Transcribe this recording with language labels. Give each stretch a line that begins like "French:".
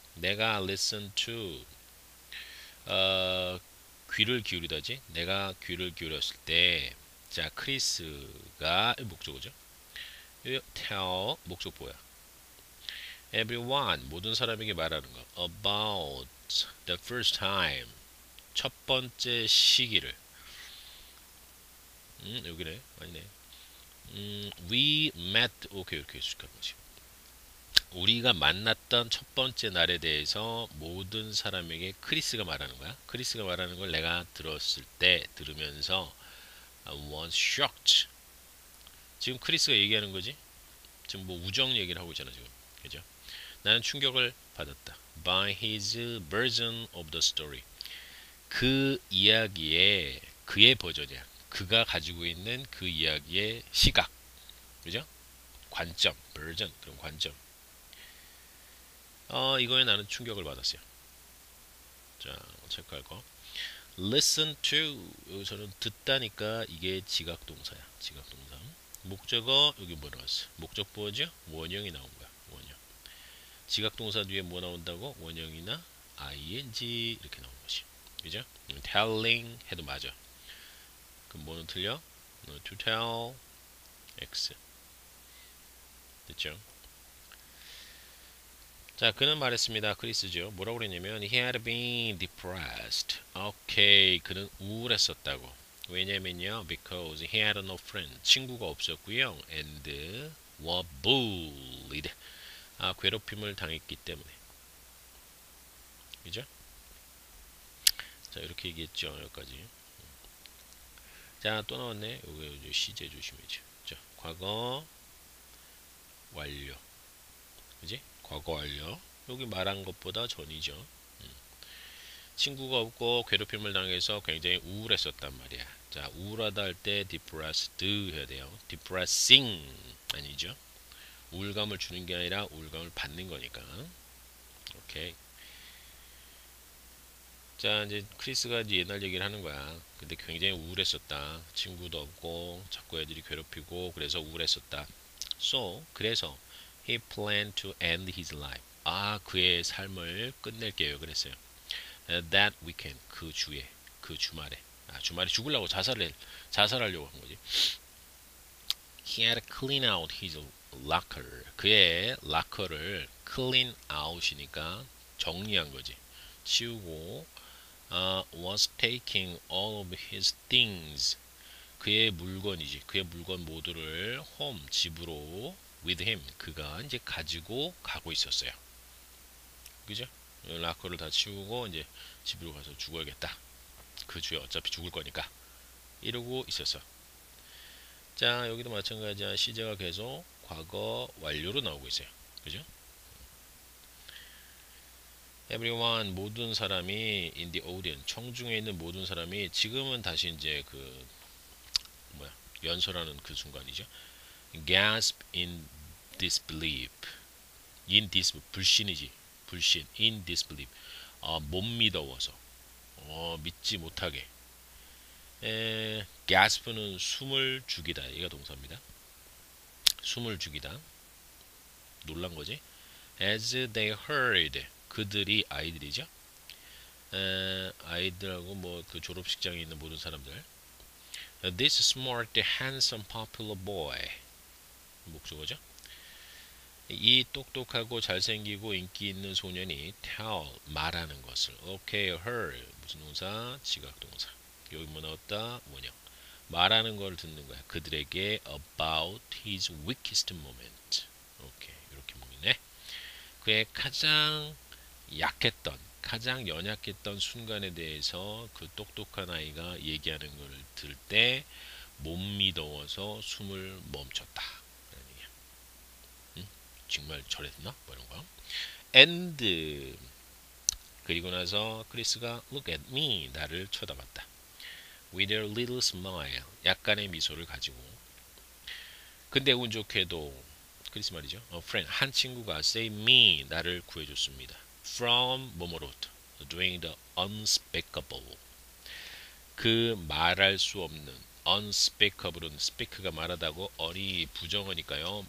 Korean: 내가
English: listen to
Korean: 귀를 기울이다지. 내가 귀를 기울였을 때. 자, 크리스가 목적어죠.
English: Tell
Korean: 목적 뭐야?
English: Everyone
Korean: 모든 사람에게 말하는 거.
English: About the first time
Korean: 첫 번째 시기를. 여기네. 아니네.
English: We met.
Korean: 오케이, 이렇게 해줄까 뭐지? 우리가 만났던 첫 번째 날에 대해서 모든 사람에게 크리스가 말하는 거야. 크리스가 말하는 걸 내가 들었을 때 들으면서.
English: I was shocked.
Korean: 지금 크리스가 얘기하는 거지? 지금 뭐 우정 얘기를 하고 있잖아, 지금. 그죠? 나는 충격을 받았다.
English: By his version of the story.
Korean: 그 이야기의 그의 버전이야. 그가 가지고 있는 그 이야기의 시각. 그죠? 관점, version, 그런 관점. 이거에 나는 충격을 받았어요. 자, 체크할 거.
English: Listen to
Korean: 여기서는 듣다니까 이게 지각동사야. 지각동사. 목적어 여기 뭐 나왔어? 목적 뭐죠? 원형이 나온 거야. 원형. 지각동사 뒤에 뭐 나온다고? 원형이나 ing 이렇게 나온 거지. 그죠? Telling 해도 맞아. 그럼 뭐는 틀려?
English: No, to tell x.
Korean: 됐죠? 자, 그는 말했습니다. 크리스죠. 뭐라고 그랬냐면,
English: he had been depressed.
Korean: 오케이. 그는 우울했었다고. 왜냐면요.
English: because he had no friend.
Korean: 친구가 없었고요.
English: and was bullied.
Korean: 아, 괴롭힘을 당했기 때문에. 그죠? 자, 이렇게 얘기했죠. 여기까지. 자, 또 나왔네. 여기 시제 조심해줘. 자, 과거 완료. 그지? 과거 완료. 여기 말한 것보다 전이죠. 친구가 없고 괴롭힘을 당해서 굉장히 우울했었단 말이야. 자, 우울하다 할때 depressed 해야 돼요. depressing 아니죠? 우울감을 주는 게 아니라 우울감을 받는 거니까. 오케이. 자, 이제 크리스가 이제 옛날 얘기를 하는 거야. 근데 굉장히 우울했었다. 친구도 없고 자꾸 애들이 괴롭히고 그래서 우울했었다.
English: So,
Korean: 그래서
English: he planned to end his life.
Korean: 아, 그의 삶을 끝낼게요. 그랬어요.
English: That weekend,
Korean: 그 주에, 그 주말에. 아, 주말에 죽으려고 자살하려고 한 거지.
English: He had to clean out his locker.
Korean: 그의 locker를 clean out이니까 정리한 거지. 치우고,
English: was taking all of his things.
Korean: 그의 물건이지. 그의 물건 모두를
English: home,
Korean: 집으로
English: with him,
Korean: 그가 이제 가지고 가고 있었어요. 그죠? 락커를 다 치우고 이제 집으로 가서 죽어야겠다. 그 주에 어차피 죽을 거니까. 이러고 있었어. 자, 여기도 마찬가지야. 시제가 계속 과거 완료로 나오고 있어요. 그죠?
English: Everyone,
Korean: 모든 사람이
English: in the audience,
Korean: 청중에 있는 모든 사람이 지금은 다시 이제 그 뭐야, 연설하는 그 순간이죠.
English: Gasp in disbelief. In disbelief,
Korean: 불신이지. 불신,
English: in disbelief.
Korean: 아, 못 믿어워서. 믿지 못하게. 가스프는 숨을 죽이다. 얘가 동사입니다. 숨을 죽이다. 놀란 거지.
English: As they heard,
Korean: 그들이 아이들이죠. 아이들하고 뭐그 졸업식장에 있는 모든 사람들.
English: This smart, handsome, popular boy.
Korean: 목적어죠. 이 똑똑하고 잘생기고 인기 있는 소년이 tell, 말하는 것을.
English: Okay, her.
Korean: 무슨 동사? 지각 동사. 여기 뭐 나왔다? 뭐냐? 말하는 걸 듣는 거야. 그들에게
English: about his weakest moment.
Korean: 오케이. 이렇게 묶네. 그의 가장 약했던, 가장 연약했던 순간에 대해서 그 똑똑한 아이가 얘기하는 걸들때못 믿어워서 숨을 멈췄다. 정말 잘했나? 뭐 이런 거.
English: And
Korean: 그리고 나서 크리스가
English: look at me.
Korean: 나를 쳐다봤다.
English: With a little smile,
Korean: 약간의 미소를 가지고. 근데 운 좋게도 크리스 말이죠.
English: A friend,
Korean: 한 친구가
English: save me,
Korean: 나를 구해줬습니다.
English: From
Korean: 뭐뭐로부터?
English: Doing the unspeakable.
Korean: 그 말할 수 없는 unspeakable은 speak가 말하다고 어리 부정어니까요.